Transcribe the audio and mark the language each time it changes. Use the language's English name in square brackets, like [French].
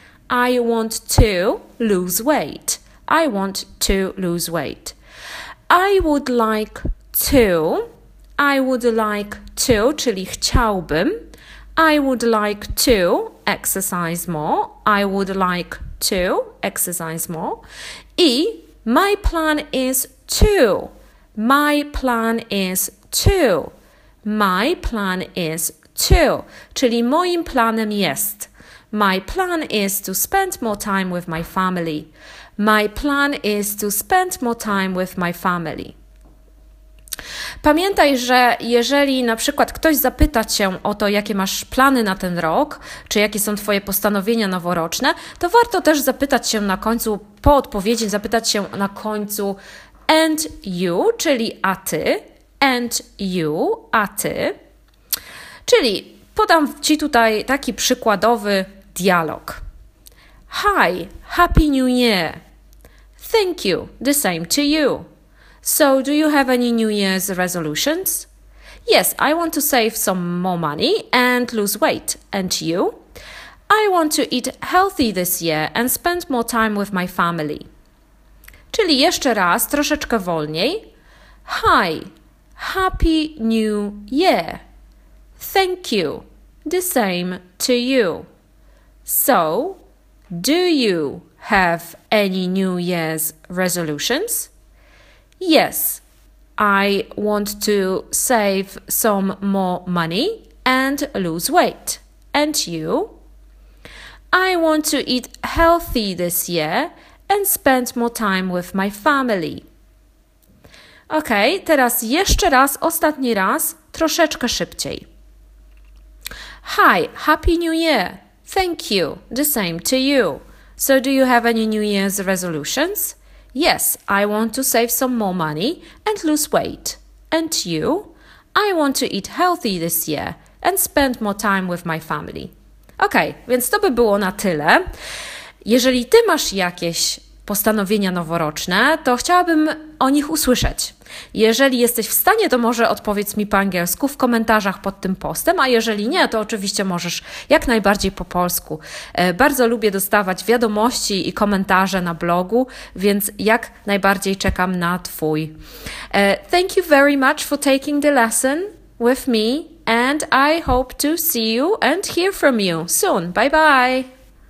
[English] I want to lose weight. I want to lose weight. I would like to. I would like to, [Polish] czyli chciałbym. [English] I would like to exercise more. I would like to exercise more. I my plan is to. My plan is to. My plan is to. [Polish] Czyli moim planem jest. [English] My plan is to spend more time with my family. My plan is to spend more time with my family. [Polish] Pamiętaj, że jeżeli na przykład ktoś zapyta Cię o to, jakie masz plany na ten rok, czy jakie są Twoje postanowienia noworoczne, to warto też zapytać się na końcu, po odpowiedzi zapytać się na końcu [English] and you, [Polish] czyli a Ty, [English] and you, [Polish] a Ty. Czyli podam Ci tutaj taki przykładowy dialog. [English] Hi, Happy New Year. Thank you, the same to you. So, do you have any New Year's resolutions? Yes, I want to save some more money and lose weight. And you? I want to eat healthy this year and spend more time with my family. [Polish] Czyli jeszcze raz, troszeczkę wolniej. [English] Hi, Happy New Year. Thank you, the same to you. So, do you have any New Year's resolutions? Yes, I want to save some more money and lose weight. And you? I want to eat healthy this year and spend more time with my family. [Polish] Ok, teraz jeszcze raz, ostatni raz, troszeczkę szybciej. [English] Hi, Happy New Year. Thank you, the same to you. So do you have any New Year's resolutions? Yes, I want to save some more money and lose weight. And you? I want to eat healthy this year and spend more time with my family. [Polish] Ok, więc to by było na tyle. Jeżeli Ty masz jakieś postanowienia noworoczne, to chciałabym o nich usłyszeć. Jeżeli jesteś w stanie, to może odpowiedz mi po angielsku w komentarzach pod tym postem, a jeżeli nie, to oczywiście możesz jak najbardziej po polsku. Bardzo lubię dostawać wiadomości i komentarze na blogu, więc jak najbardziej czekam na Twój. [English] Thank you very much for taking the lesson with me and I hope to see you and hear from you soon. Bye bye!